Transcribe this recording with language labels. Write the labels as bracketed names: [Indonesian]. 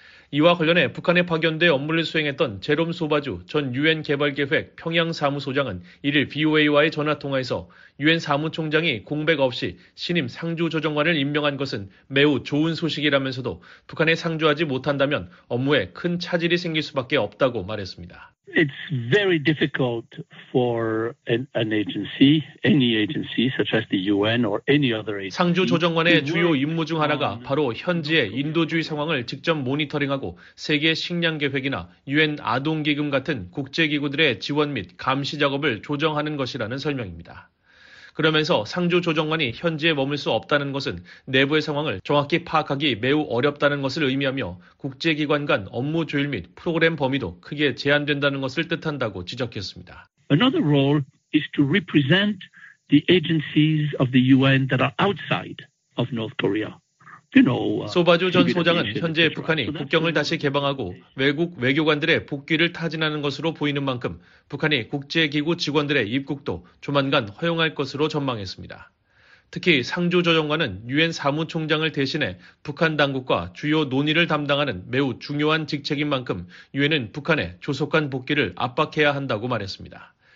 [Korean] 이와 관련해 북한에 파견돼 업무를 수행했던 제롬 소바주 전 유엔 개발계획 평양 사무소장은 이를 BOA와의 전화통화에서 유엔 사무총장이 공백 없이 신임 상주 조정관을 임명한 것은 매우 좋은 소식이라면서도 북한에 상주하지 못한다면 업무에 큰 차질이 생길 수밖에 없다고 말했습니다. [English] It's very difficult for an agency, any agency such as the UN or any other agency. [Korean] 상주 조정관의 주요 임무 중 하나가 바로 현지의 인도주의 상황을 직접 모니터링하고 세계 식량 계획이나 UN 아동 기금 같은 국제 기구들의 지원 및 감시 작업을 조정하는 것이라는 설명입니다. 그러면서 상주 조정관이 현지에 머물 수 없다는 것은 내부의 상황을 정확히 파악하기 매우 어렵다는 것을 의미하며 국제기관 간 업무 조율 및 프로그램 범위도 크게 제한된다는 것을 뜻한다고 지적했습니다. [English] Another role is to represent the agencies of the UN that are outside of North Korea. [Korean] 소바주 전 소장은 현재 북한이 국경을 다시 개방하고 외국 외교관들의 복귀를 타진하는 것으로 보이는 만큼 북한이 국제기구 직원들의 입국도 조만간 허용할 것으로 전망했습니다. 특히 상주 조정관은 유엔 사무총장을 대신해 북한 당국과 주요 논의를 담당하는 매우 중요한 직책인 만큼 유엔은 북한의 조속한 복귀를 압박해야 한다고 말했습니다.